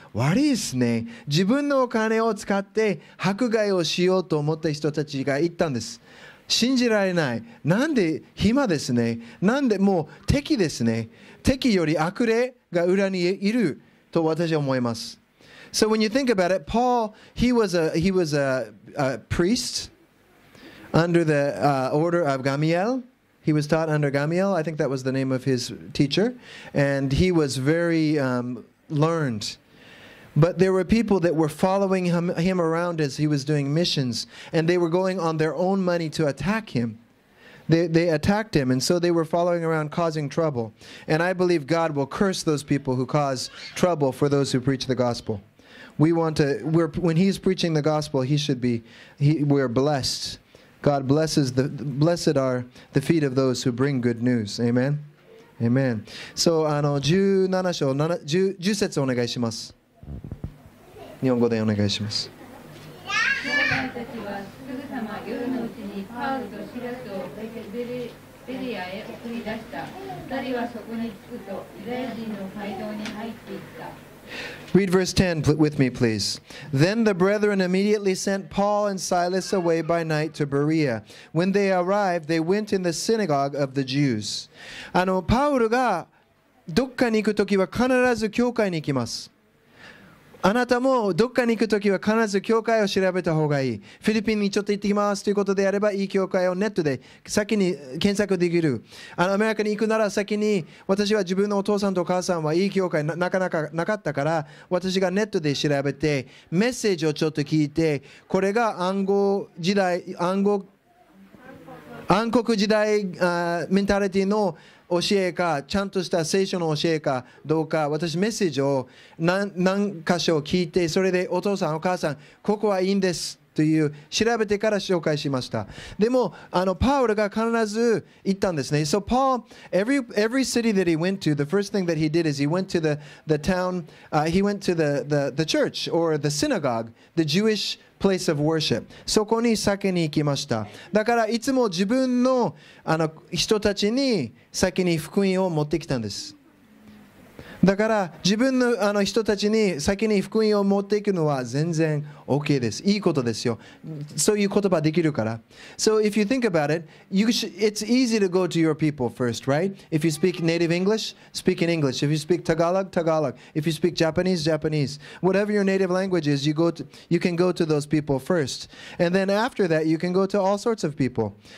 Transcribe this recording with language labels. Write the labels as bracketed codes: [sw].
[ja] 悪いですね、自分のお金を使って迫害をしようと思った人たちが言ったんです。信じられない、なんで暇ですね、なんでもう敵ですね、敵より悪霊が裏にいると私は思います。 [en] So when you think about it, Paul, he was a priestUnder the、order of Gamaliel. He was taught under Gamaliel. I think that was the name of his teacher. And he was very、learned. But there were people that were following him around as he was doing missions. And they were going on their own money to attack him. They attacked him. And so they were following around causing trouble. And I believe God will curse those people who cause trouble for those who preach the gospel. When he's preaching the gospel, we're blessed. God blesses blessed are the feet of those who bring good news. Amen. Amen. [ja] So, 17章10節お願いします。日本語でお願いします。兄弟たちはすぐさま夜のうちにパウルとシラスをベリアへ送り出した。 2人はそこに着くとユダヤ人の会堂に入っていった。 [en] Read verse 10 with me, please. Then the brethren immediately sent Paul and Silas away by night to Berea. When they arrived, they went in the synagogue of the Jews. [ja] パウルがどっかに行くときは必ず教会に行きます。あなたもどっかに行くときは必ず教会を調べた方がいい。フィリピンにちょっと行ってきますということであれば、いい教会をネットで先に検索できる。アメリカに行くなら先に、私は自分のお父さんとお母さんはいい教会なかなかなかったから、私がネットで調べて、メッセージをちょっと聞いて、これが暗黒時代メンタリティの教えか、ちゃんとした聖書の教えかどうか、私メッセージを 何箇所聞いて、それでお父さんお母さんここはいいんですという調べてから紹介しました。でもパウルが必ず行ったんですね。 [en] So Paul, every city that he went to, the first thing that he did is he went to the town、he went to the church or the synagogue, the Jewish place of worship. [ja] そこに先に行きました。だからいつも自分 の人たちに先に福音を持ってきたんです。だから自分 の人たちに先に福音を持っていくのは全然 OK です。いいことですよ。そういう言葉できるから。 [en] So if you think about it, it's easy to go to your people first, right? If you speak native English, speak in English. If you speak Tagalog. If you speak Japanese. Whatever your native language is, you can go to those people first. And then after that, you can go to all sorts of people.